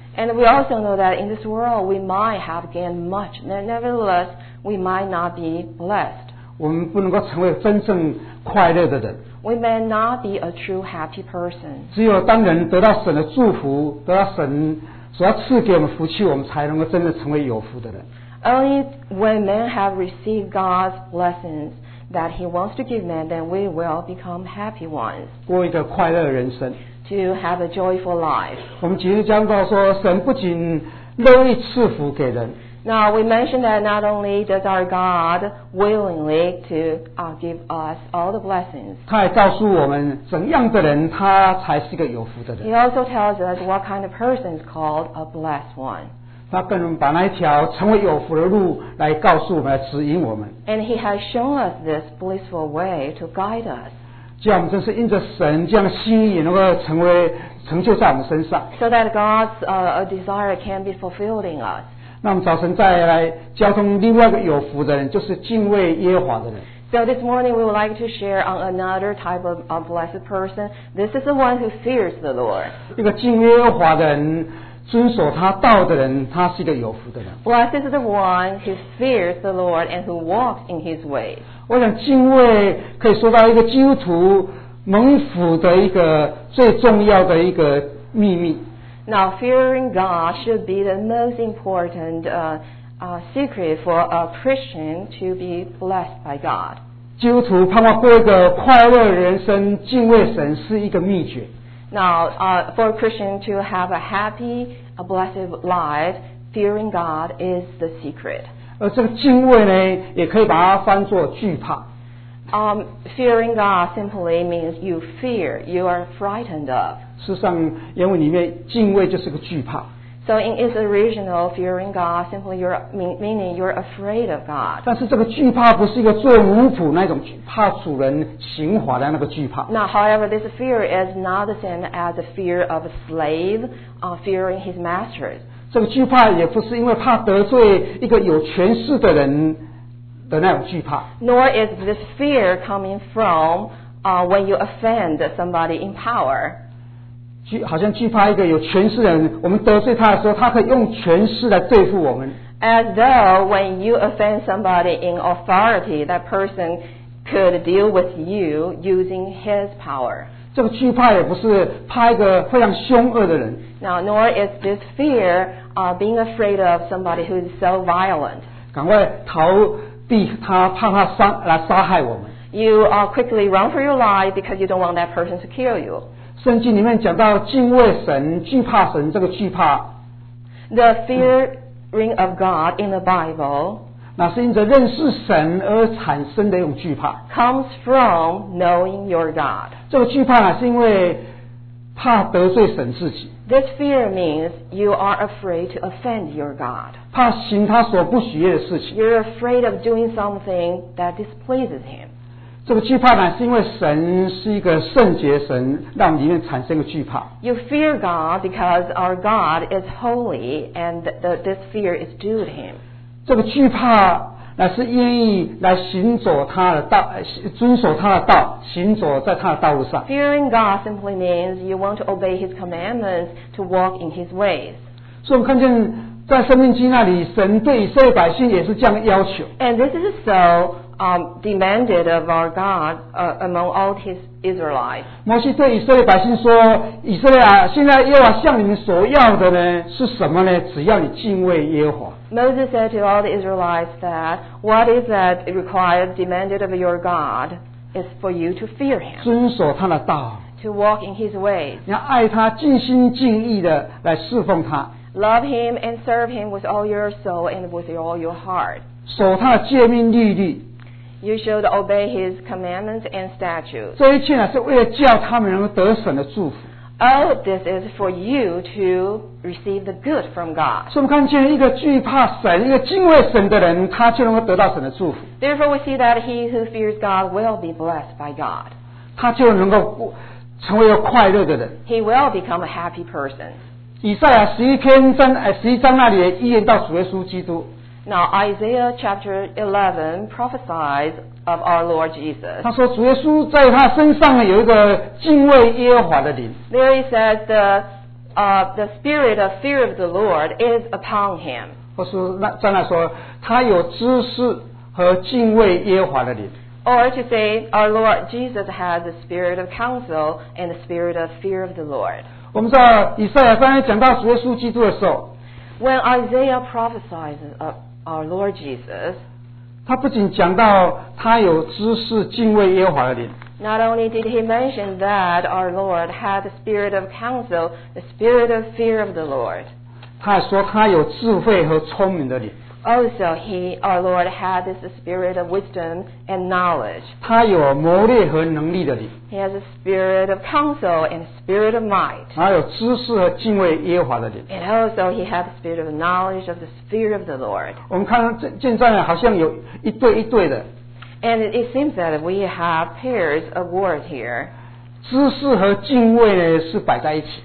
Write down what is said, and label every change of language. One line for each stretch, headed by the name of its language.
English: And we also know that in this world, we might have gained much, nevertheless, we might not be blessed.
Chinese: 我们不能够成为真正快乐的人。
English: We may not be a true happy person.
Chinese: 只有当人得到神的祝福，得到神所要赐给我们福气，我们才能够真的成为有福的人。
English: Only when men have received God's blessings that He wants to give men, then we will become happy ones.
Chinese: 过一个快乐的人生。
English: To have a joyful life.
Chinese: 我们今天讲到说，神不仅乐意赐福给人。
English: Now we mentioned that not only does our God willingly to give us all the blessings,
Chinese: 他还告诉我们怎样的人他才是一个有福的人。
English: He also tells us what kind of person is called a blessed one.
Chinese: 他更把那一条成为有福的路来告诉我们，指引我们。
English: And he has shown us this blissful way to guide us.
Chinese: 这样我们真是因着神这样的心意，能够成就在我们身上。
English: So that God's desire can be fulfilled in us.
Chinese: 那我们早晨再来交通另外一个有福的人，就是敬畏耶和华的人。
English: So this morning we would like to share on another type of blessed person. This is the one who fears the Lord.
Chinese: 一个敬耶和华的人，遵守他道的人，他是一个有福的人。
English: Blessed is the one who fears the Lord and who walks in His ways.
Chinese: 我想敬畏可以说到一个基督徒蒙福的一个最重要的一个秘密。
English: Now, fearing God should be the most important secret for a Christian to be blessed by God.
Chinese: 基督徒盼望过一个快乐人生，敬畏神是一个秘诀。
English: Now, for a Christian to have a happy, a blessed life, fearing God is the secret.
Chinese: 而这个敬畏呢，也可以把它翻作惧怕。
English: Fearing God simply means you fear, you are frightened of.
Chinese: 事实上原文里面敬畏就是个惧怕。
English: So in its original, fearing God simply meaning you're afraid of God.
Chinese: 但是这个惧怕不是一个做奴仆那种怕主人刑罚的那个惧怕。
English: Now however, this fear is not the same as the fear of a slave fearing his masters.
Chinese: 这个惧怕也不是因为怕得罪一个有权势的人的那种惧怕。
English: Nor is this fear coming from when you offend somebody in power.
Chinese: 好像惧怕一个有权势的人，我们得罪他的时候，他可以用权势来对付我们。
English: As though when you offend somebody in authority, that person could deal with you using his power.
Chinese: 这个惧怕也不是怕一个非常凶恶的人。
English: Now, nor is this fear being afraid of somebody who is so violent.
Chinese: 赶快逃他怕他杀来杀害我们。
English: You quickly run for your life because you don't want that person to kill you.
Chinese: 圣经里面讲到敬畏神、惧怕神，这个惧怕。
English: The fearing of God in the Bible.
Chinese: 那是因着认识神而产生的一种惧怕。
English: Comes from knowing your God.
Chinese: 这个惧怕呢，是因为怕得罪神自己。
English: This fear means you are afraid to offend your God.
Chinese: 怕行他所不喜悦的事情。
English: You're afraid of doing something that displeases him.
Chinese: 这个惧怕呢，是因为神是一个圣洁神，让里面产生个惧怕。
English: You fear God because our God is holy, and this fear is due to him.
Chinese: 这个惧怕乃是愿意来行走他的道，遵守他的道，行走在他的道路上。
English: Fearing God simply means you want to obey His commandments to walk in His ways.
Chinese: 所以我们看见在生命记那里，神对以色列百姓也是这样要求。
English: And this is so demanded of our God among all His Israelites.
Chinese: 摩西对以色列百姓说：“以色列啊，现在耶和华向你们所要的呢是什么呢？只要你敬畏耶和华。”
English: Moses said to all the Israelites that, "What is that required, demanded of your God? Is for you to fear Him."
Chinese: 遵守他的道。
English: To walk in His ways.
Chinese: 你要爱他，尽心尽意的来侍奉他。
English: Love him and serve him with all your soul and with all your heart.
Chinese: 守他的诫命律例。
English: You should obey his commandments and statutes.
Chinese: 这一切呢，是为了叫他们能够得神的祝福。
English: Oh, this is for you to receive the good from God.
Chinese: 所以我们看见一个惧怕神、一个敬畏神的人，他就能够得到神的祝福。
English: Therefore, we see that he who fears God will be blessed by God.
Chinese: 他就能够成为一个快乐的人。
English: He will become a happy person.
Chinese: 以赛亚十一篇三十一章那里预言到主耶稣基督。
English: Now Isaiah chapter 11 prophesies of our Lord Jesus.
Chinese: 他说主耶稣在他身上有一个敬畏耶和华的灵。
English: There he says the spirit of fear of the Lord is upon him.
Chinese: 或是在那说他有知识和敬畏耶和华的灵。
English: Or to say our Lord Jesus has the spirit of counsel and the spirit of fear of the Lord.
Chinese: 我们知道以赛亚刚才讲到主耶稣基督的时候
English: When Isaiah prophesies of our Lord Jesus
Chinese: 他不仅讲到他有知识敬畏耶和华的灵
English: Not only did he mention that our Lord had the spirit of counsel the spirit of fear of the Lord
Chinese: 他还说他有智慧和聪明的灵
English: Also he, our Lord, had this spirit of wisdom and knowledge
Chinese: 他有谋略和能力的灵
English: He has a spirit of counsel and spirit of might.
Chinese: 他有知识和敬畏耶和华的灵。
English: And also he had the spirit of knowledge of the fear of the Lord.
Chinese: 我们看见这样好像有一对一对的。
English: And it seems that we have pairs of words here.
Chinese: 知识和敬畏呢是摆在一起。